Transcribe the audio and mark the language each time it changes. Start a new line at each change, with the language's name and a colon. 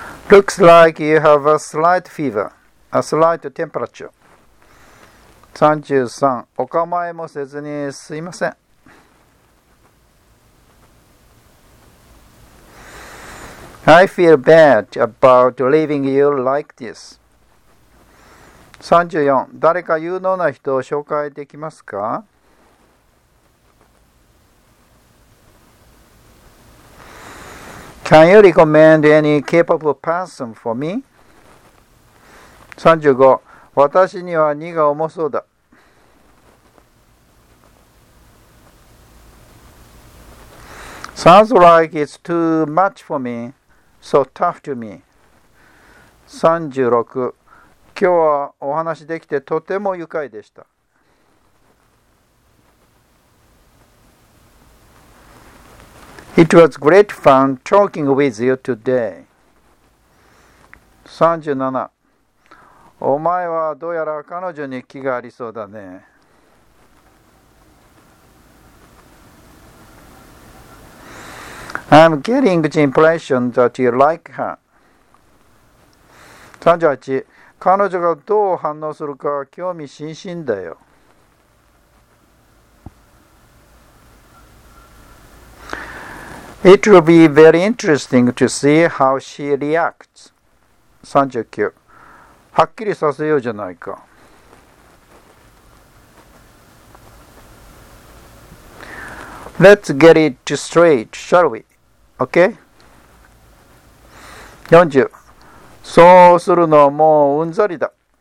English: Looks like you have a slight fever, a slight temperature. 33.
Japanese: お構いもせずにすいません。
English: I feel bad about leaving you like this. 34.
Japanese: 誰か有能な人を紹介できますか？
English: Can you recommend any capable person for me?
Japanese: 35. 私には荷が重そうだ。
English: Sounds like it's too much for me, so tough to me. 36.
Japanese: 今日はお話できてとても愉快でした。
English: It was great fun talking with you today. 37.
Japanese: お前はどうやら彼女に気がありそうだね。
English: I'm getting the impression that you like her. 38.
Japanese: 彼女がどう反応するか興味津々だよ。
English: It will be very interesting to see how she reacts. 39.
Japanese: はっきりさせようじゃないか。
English: Let's get it straight, shall we? Okay? 40.
Japanese: そうするのもううんざりだ。